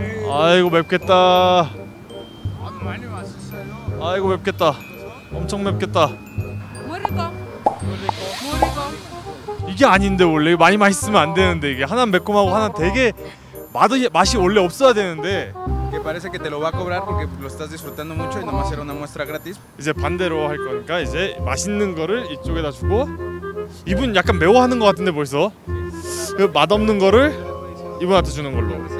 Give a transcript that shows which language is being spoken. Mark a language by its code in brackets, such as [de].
[ko] 아이고 맵겠다. 많이 맛있어요. 아이고 맵겠다. 엄청 맵겠다. 모르고. 모르고. 이게 아닌데 원래 많이 맛있으면 안 되는데 이게 하나 매콤하고 하나 되게 맛이 원래 없어야 되는데. [es] Que parece que te lo va a cobrar porque lo estás disfrutando mucho y nomás era una muestra gratis. [ko] 이제 반대로 할 거니까 이제 맛있는 거를 이쪽에다 주고 이분 약간 매워하는 거 같은데 벌써 그 맛없는 거를 이분한테 주는 걸로.